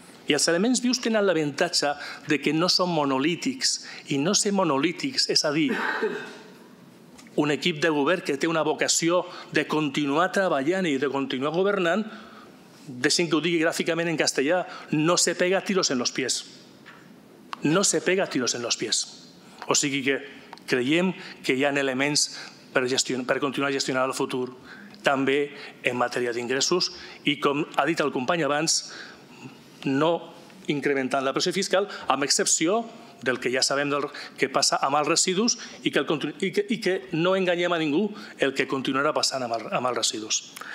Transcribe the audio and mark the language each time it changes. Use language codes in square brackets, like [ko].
[ca] I els elements vius tenen l'avantatge de que no són monolítics. I no ser monolítics, és a dir, un equip de govern que té una vocació de continuar treballant i de continuar governant, deixin que ho digui gràficament en castellà, [es] no se pega tiros en los pies. No se pega tiros en los pies. [ca] O sigui que creiem que hi ha elements per continuar gestionant el futur també en matèria d'ingressos i, com ha dit el company abans, no incrementant la pressió fiscal, amb excepció del que ja sabem que passa amb els residus i que no enganyem a ningú el que continuarà passant amb els residus.